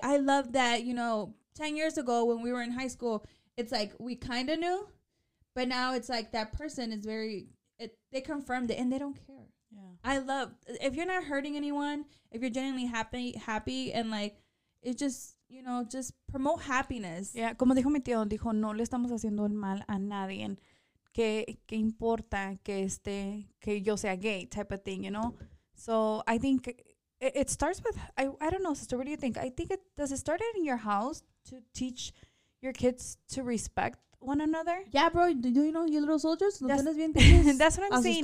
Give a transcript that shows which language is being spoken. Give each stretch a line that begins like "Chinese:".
English: I love that, you know, 10 years ago when we were in high school, it's like we kind of knew, but now it's like that person is very they confirmed it and they don't care. Yeah, I love, if you're not hurting anyone, if you're genuinely happy and like, it just, you know, just promote happiness.
Spanish: Yeah, como dijo mi tío, dijo, no le estamos haciendo mal a nadie. qué importa que esté que yo sea gay
English: type of thing, you know? So I think it starts with, I don't know, sister, what do you think? I think it does it start in your house to teach your kids to respect one another? Yeah, bro. Do you know your little soldiers? That's, that's what I'm saying.